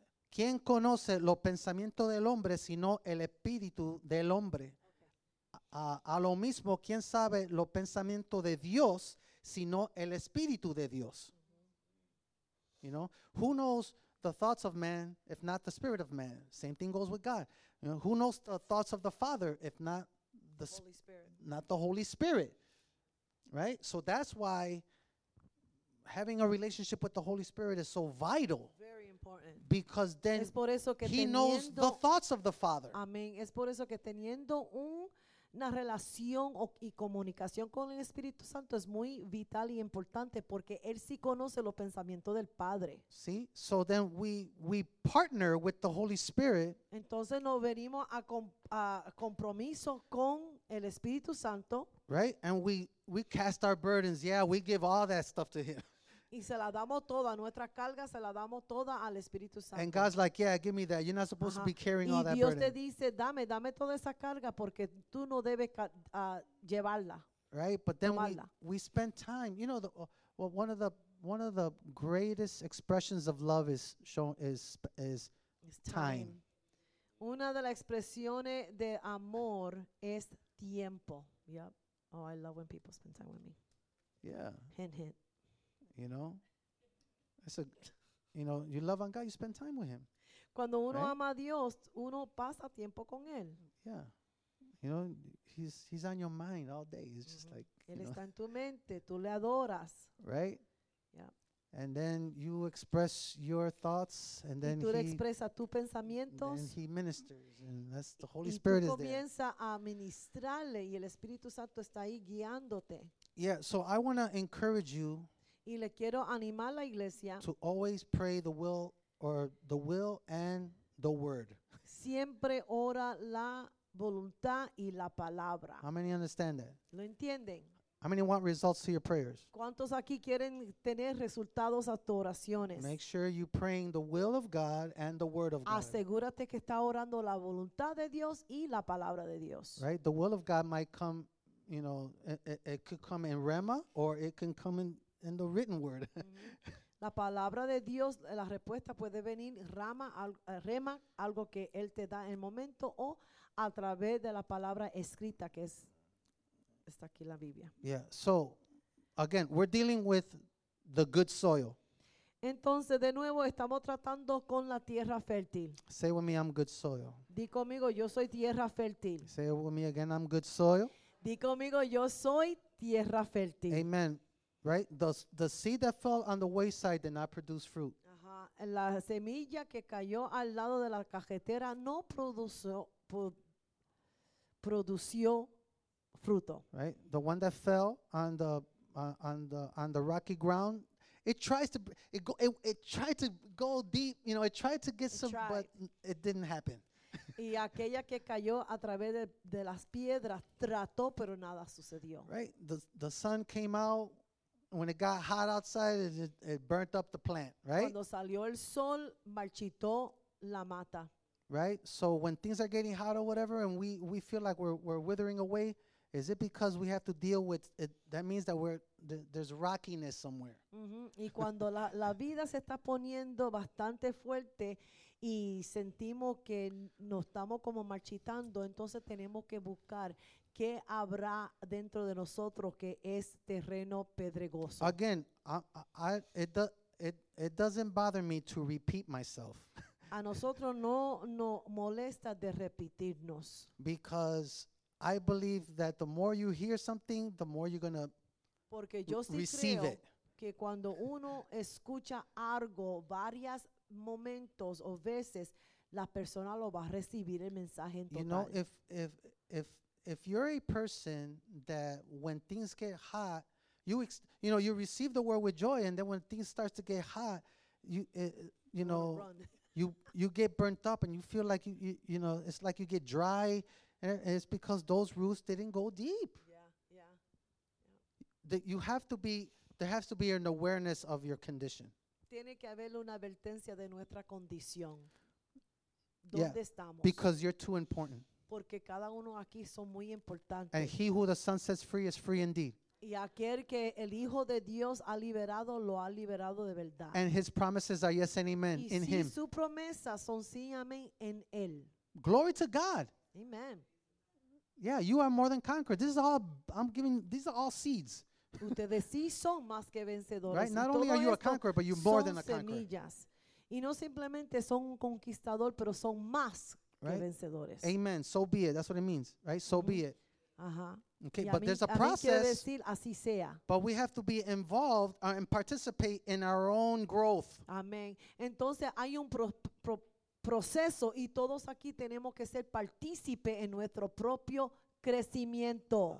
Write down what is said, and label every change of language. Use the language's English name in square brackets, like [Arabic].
[Spanish] ¿Quién conoce los pensamientos del hombre sino el Espíritu del hombre? A lo mismo, ¿quién sabe los pensamientos de Dios sino el Espíritu de Dios? [English] You know, who knows the thoughts of man if not the Spirit of man? Same thing goes with God. You know, who knows the thoughts of the Father if not the Holy Spirit? Not the Holy Spirit, right? So that's why having a relationship with the Holy Spirit is so vital. Very important. Because then [Spanish] es por eso que [English] he knows the thoughts of the Father. [Spanish] Amén. Es por eso que teniendo una relación y comunicación con el Espíritu Santo es muy vital y importante porque él sí conoce los pensamientos del Padre. [English] Sí, so then we partner with the Holy Spirit. [Spanish] Entonces nos venimos a compromiso con el Espíritu Santo. [English] Right, and we cast our burdens. Yeah, we give all that stuff to him. [Spanish] Y se la damos toda, nuestra carga se la damos toda al Espíritu Santo. [English] And God's like, yeah, give me that. You're not supposed to be carrying [Spanish] y [English] all that [Spanish] Dios [English] burden. [Spanish] Y Dios te dice, dame toda esa carga porque tú no debes llevarla. [English] Right, but then we spend time. You know, one of the greatest expressions of love is shown is time. Time. [Spanish] Una de las expresiones de amor es tiempo. [English] Yep. Oh, I love when people spend time with me. Yeah. Hint, hint. You know, you love on God, you spend time with him. [Spanish] Cuando uno ama a Dios, uno pasa tiempo con él. [English] Yeah, you know, he's on your mind all day. It's just like, [Spanish] él está en tu mente, tú le adoras. [English] Right? Yeah. And then you express your thoughts, and then [Spanish] tú expresas tus pensamientos. [English] And he ministers, and that's the Holy Spirit is there. [Spanish] Y tú comienzas a ministrarle, y el Espíritu Santo está ahí guiándote. [English] Yeah, so I want to encourage you. [Spanish] Y le quiero animar a la iglesia. [English] To always pray the will or the will and the word. [Spanish] Siempre ora la voluntad y la palabra. [English] How many understand that? [Spanish] ¿Lo entienden? [English] How many want results to your prayers? [Spanish] ¿Cuántos aquí quieren tener resultados a tus oraciones? [English] Make sure you're praying the will of God and the word of God. [Spanish] Asegúrate que está orando la voluntad de Dios y la palabra de Dios. [English] Right? The will of God might come, you know, it could come in rema or it can come in the written word. [Spanish] La palabra de Dios, la respuesta puede venir rema, algo que él te da en el momento, o a través de la palabra escrita, que está aquí la Biblia. [English] Yeah, so again, we're dealing with the good soil. [Spanish] Entonces, de nuevo, estamos tratando con la tierra fértil. [English] Say with me, I'm good soil. [Spanish] Di conmigo, yo soy tierra fértil. [English] Say with me again, I'm good soil. [Spanish] Di conmigo, yo soy tierra fértil. [English] Amen. Right, the seed that fell on the wayside did not produce fruit. [Spanish] La semilla que cayó al lado de la cajetera no produció fruto. [English] Right, the one that fell on the rocky ground, it tried to go deep, but it didn't happen. [Spanish] Y aquella que cayó a través de las piedras trató, pero nada sucedió. [English] Right, the sun came out. When it got hot outside, it burnt up the plant, right? [Spanish] Cuando salió el sol, marchitó la mata. [English] Right? So when things are getting hot or whatever, and we feel like we're withering away, is it because we have to deal with it? That means that there's rockiness somewhere. Mm-hmm. [Spanish] Y cuando la vida se está poniendo bastante fuerte y sentimos que nos estamos como marchitando, entonces tenemos que buscar qué habrá dentro de nosotros que es terreno pedregoso. [English] Again, it doesn't bother me to repeat myself. [Spanish] A nosotros no nos molesta de repetirnos. [English] Because I believe that the more you hear something, the more you're gonna [Spanish] porque yo sí [English] receive [Spanish] creo [English] it. [Spanish] Que cuando uno escucha algo varias momentos o veces, la persona lo va a recibir el mensaje en total. [English] You know, if you're a person that when things get hot, you receive the word with joy, and then when things start to get hot, you get burnt up, and you feel like you it's like you get dry, and it's because those roots didn't go deep. Yeah. there has to be an awareness of your condition. [Spanish] Tiene que haber una advertencia de nuestra condición. ¿Dónde estamos? [English] Because you're too important. [Spanish] Porque cada uno aquí son muy importantes. [English] And he who the Son sets free is free indeed. [Spanish] Y aquel que el Hijo de Dios ha liberado, lo ha liberado de verdad. [English] And his promises are yes and amen in him. [Spanish] Y si sus promesas son sí y amén en él. [English] Glory to God. Amen. Yeah, you are more than conquerors. These are all seeds. [Spanish] Ustedes sí son más que vencedores. [English] Right? Not only are you a conqueror, but you're more than a conqueror. [Spanish] Son semillas. Y no simplemente son un conquistador, pero son más que vencedores. [English] Amen. So be it. That's what it means. Right? So be it. Ajá. Okay, but there's a process. [Spanish] Decir, así sea. [English] But we have to be involved and participate in our own growth. [Spanish] Amén. Entonces hay un proceso y todos aquí tenemos que ser partícipe en nuestro propio crecimiento.